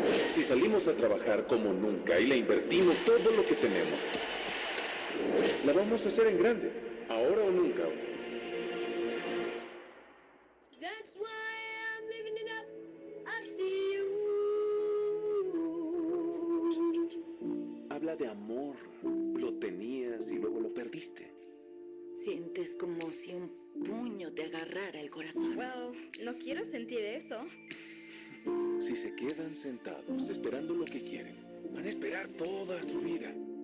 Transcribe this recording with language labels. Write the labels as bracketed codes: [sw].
[es] Si salimos a trabajar como nunca y le invertimos todo lo que tenemos, la vamos a hacer en grande, ahora o nunca. [en] That's why I'm living it up, up to you. [es] Habla de amor, lo tenías y luego lo perdiste. Sientes como si un puño te agarrara el corazón. Well, no quiero sentir eso. Si se quedan sentados esperando lo que quieren, van a esperar toda su vida.